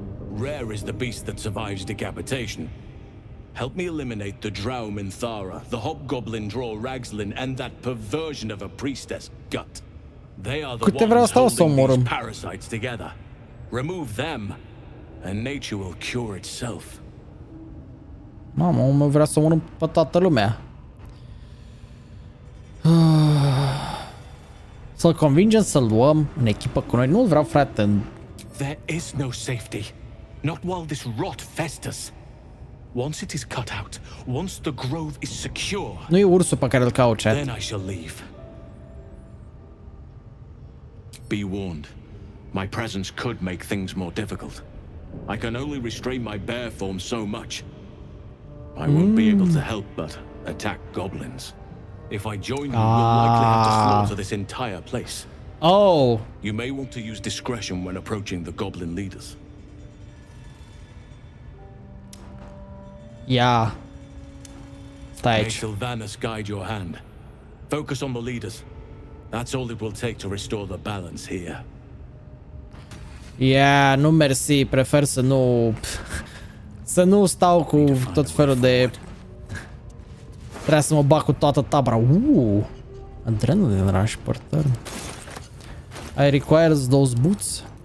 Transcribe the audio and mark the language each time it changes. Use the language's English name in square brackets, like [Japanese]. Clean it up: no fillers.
[English] Rare is the beast that survives decapitation. Help me eliminate the Drow Minthara, the Hobgoblin Draw Ragslin, and that perversion of a priestess, Gut. They are the ones holding these parasites together. Remove them, and nature will cure itself. [Romanian] Mamă, omul vrea să omorâm pe toată lumea. Să-l convingem să-l luăm în echipă cu noi? Nu-l vreau, frate. [English] There is no safety. Not while this rot festers. Once it is cut out, once the grove is secure, [Romanian] nu e ursul pe care îl caut, chat. [English] Then I shall leave. Be warned. My presence could make things more difficult. I can only restrain my bear form so much. I won't be able to help but attack goblins. If I join you, you'll likely have to slaughter this entire place. Oh. You may want to use discretion when approaching the goblin leaders. Yeah. May Sylvanas guide your hand. Focus on the leaders. That's all it will take to restore the balance here. [Romanian] Yeah, nu mersi, prefer să nu stau cu tot felul de vreau să mă bag cu toată tabra. [English] Adrenaline rush porter. I requires those boots.